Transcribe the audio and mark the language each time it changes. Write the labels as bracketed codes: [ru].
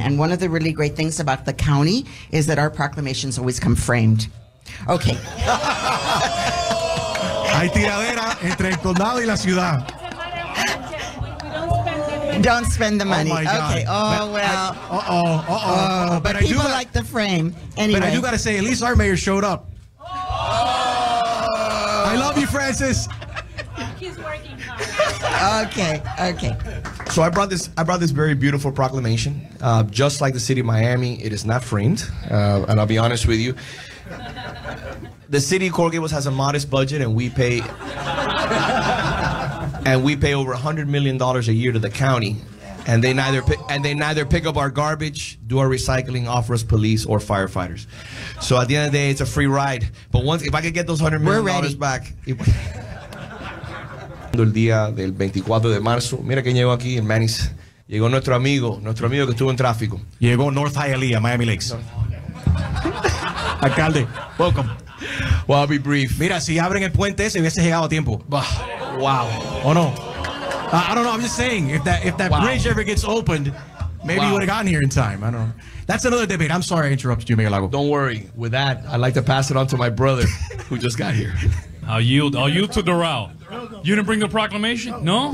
[en] And one of the really great things about the county is that our proclamations always come framed. Okay. [es] Hay tiradera entre el condado y la ciudad. [en] Don't spend the money. Oh, my God. Okay. Oh, but well. But people I do like the frame. Anyway. But I do got to say, at least our mayor showed up. Oh. I love you, Francis. He's working hard. Okay. So I brought this very beautiful proclamation. Just like the city of Miami, it is not framed. And I'll be honest with you. The city of Coral Gables has a modest budget, and we pay... And we pay over $100 million a year to the county, and they neither pick up our garbage, do our recycling, offer us police or firefighters. So at the end of the day, it's a free ride. But once, if I could get those $100 million back, [es] el día del 24 de marzo, mira quién llegó aquí en Manny's. Llegó nuestro amigo que estuvo en tráfico. Llegó North Hialeah, Miami Lakes. Alcalde, welcome. [en] Well, I'll be brief. [es] Mira, si abren el puente, se hubiese llegado a tiempo. [en] Wow. Oh, no. I don't know. I'm just saying, if that bridge ever gets opened, maybe you would have gotten here in time. I don't know. That's another debate. I'm sorry I interrupted you, Mayor Lago. Don't worry. With that, I'd like to pass it on to my brother, who just got here. I'll yield to Doral. You didn't bring the proclamation? No?